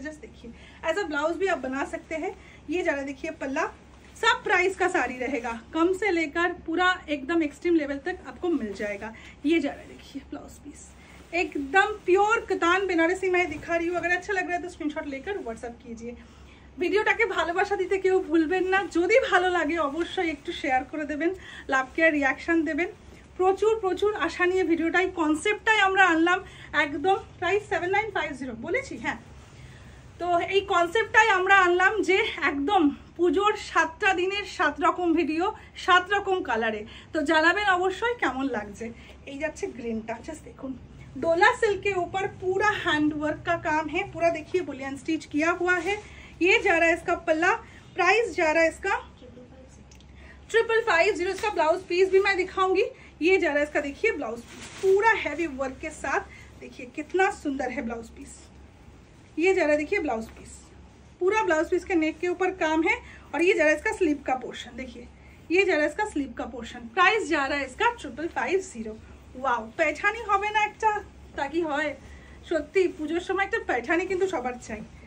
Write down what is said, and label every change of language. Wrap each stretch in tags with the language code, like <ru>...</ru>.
<hi>Just देखिए ऐसा blouse भी आप बना सकते हैं। ये जा रहा देखिए पल्ला, सब प्राइस का साड़ी रहेगा, कम से लेकर पूरा एकदम एक्सट्रीम लेवल तक आपको मिल जाएगा। ये जा रहा देखिए ब्लाउज पीस, एकदम प्योर कतान बेनारसी मैं दिखा रही हूँ। अगर अच्छा लग रहा है तो स्क्रीनशॉट लेकर व्हाट्सअप कीजिए।</hi> <bn>ভিডিওটাকে ভালোবাসা দিতে কেউ ভুলবেন না। যদি ভালো লাগে অবশ্যই একটু শেয়ার করে দেবেন, লাভ কেয়ার রিয়াকশান দেবেন। প্রচুর প্রচুর আশা নিয়ে ভিডিওটাই কনসেপ্টটাই আমরা আনলাম একদম। প্রাইস 7,950 বলেছি, হ্যাঁ। তো এই কনসেপ্টটাই আমরা আনলাম যে একদম পুজোর 7টা দিনের 7 রকম ভিডিও 7 রকম কালারে। তো জানাবেন অবশ্যই কেমন লাগছে। এই যাচ্ছে গ্রিনটা, জাস্ট দেখুন ডোলা সিল্কের উপর পুরা হ্যান্ডওয়ার্ক</bn> <hi>কা কাম হ্যাঁ, পুরা দেখিয়ে বুলিয়ান স্টিচ কিয়া হুয়া হ্যায়। ये जा रहा है इसका पल्ला, प्राइस जा रहा है इसका 5,550। इसका ब्लाउज पीस भी मैं दिखाऊंगी। ये जा रहा है इसका देखिए ब्लाउज पीस, पूरा हैवी वर्क के साथ देखिए कितना सुंदर है ब्लाउज पीस। ये जा रहा है देखिए ब्लाउज पीस, पूरा ब्लाउज पीस के नेक के ऊपर काम है। और ये जा रहा है इसका स्लीव का पोर्शन, देखिए ये जा रहा है इसका स्लीव का पोर्शन। प्राइस जा रहा है इसका 5,550।</hi> <bn>वाओ पहचानी होवे ना একটা ताकि হয়, সত্যি পূজোর সময় তো পহচানি কিন্তু সবার চাই।</bn>